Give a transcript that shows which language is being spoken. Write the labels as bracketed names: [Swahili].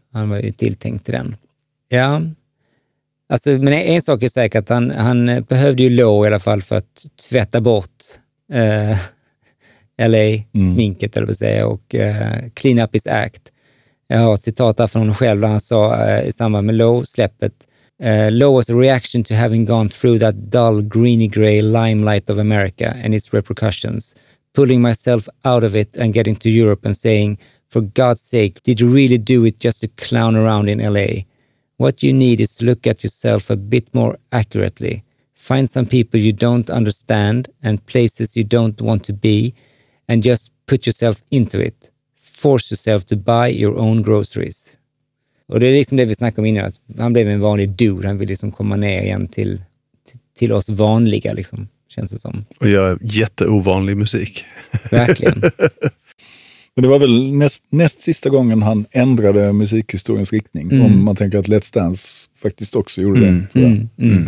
[Swedish] Han var ju tilltänkt till den. Ja, alltså, men en sak är säkert, att han behövde ju lår i alla fall för att tvätta bort LA-sminket, eller vad säger, och [English] clean up his act. [Swedish] Jag har ett citat där från honom själv där han sa i samband med Low-släppet: [English] Low was a reaction to having gone through that dull, greeny-gray limelight of America and its repercussions. Pulling myself out of it and getting to Europe and saying, for God's sake, did you really do it just to clown around in LA? What you need is to look at yourself a bit more accurately. Find some people you don't understand and places you don't want to be and just put yourself into it. Force yourself to buy your own groceries. [Swedish] Och det är liksom det vi snackade om innan, att han blev en vanlig dude, han vill liksom komma ner igen till oss vanliga liksom, känns det som. Och göra jätteovanlig musik. Verkligen. Men det var väl näst sista gången han ändrade musikhistoriens riktning, om man tänker att Let's Dance faktiskt också gjorde det, tror jag.